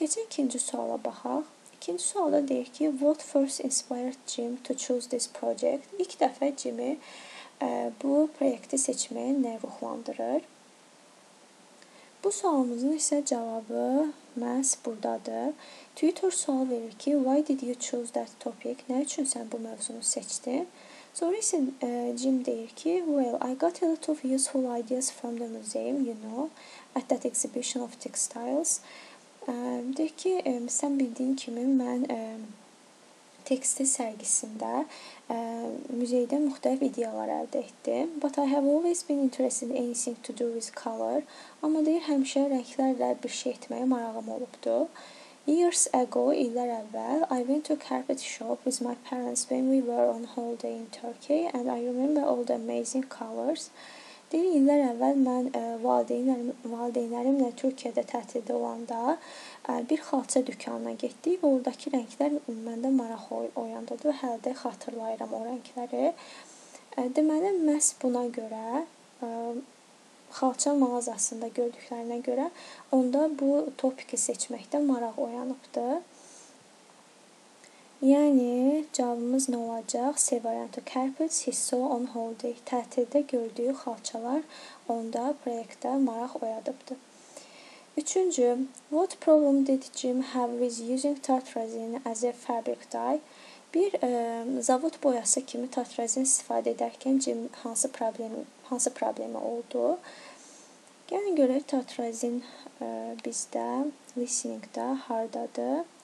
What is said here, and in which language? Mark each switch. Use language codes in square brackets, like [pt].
[az] Keçin ikinci suala baxaq. İkinci sualda deyir ki, [en] what first inspired Jim to choose this project? [az] İlk dəfə Jim'i bu proyekti seçməyə nə ruhlandırır? Bu sualımızın isə cavabı məhz buradadır. Tutor sual verir ki, [en] why did you choose that topic? [az] Nə üçün sən bu mövzunu seçdin? Sonra isə Jim deyir ki, [en] well, I got a lot of useful ideas from the museum, you know, at that exhibition of textiles. [az] Deyir ki, sən bildiyin kimi mən tekstil sərgisində müzeydə müxtəlif ideyalar əldə etdim. [en] But I have always been interested in anything to do with color. [az] Amma deyir, həmişə rənglərlə bir şey etməyə marağım olubdur. [en] Years ago, [az] illər əvvəl, [en] I went to a carpet shop with my parents when we were on holiday in Turkey and I remember all the amazing colors. [az] Deyir, illər əvvəl mən valideynlərimlə Türkiyədə tətildə olanda bir xalça dükkanına getdik və oradakı rənglər məndə maraq oyandırdı və hələ də xatırlayıram o rəngləri. Deməli, məhz buna görə, xalça mağazasında gördüklərinə görə onda bu topiki seçməkdə maraq oyanıbdı. Yəni, cavabımız nə olacaq? [en] Severanto Carpets, he saw on holiday. [az] Tətildə gördüyü xalçalar onda proyektdə maraq oyadıbdı. Üçüncü, [en] what problem did Jim have with using tartrazin as a fabric dye? [az] Bir zavod boyası kimi tartrazin istifadə edərkən Jim hansı problemi oldu? Gəlin görək, tartrazin bizdə, listeningdə, hardadır?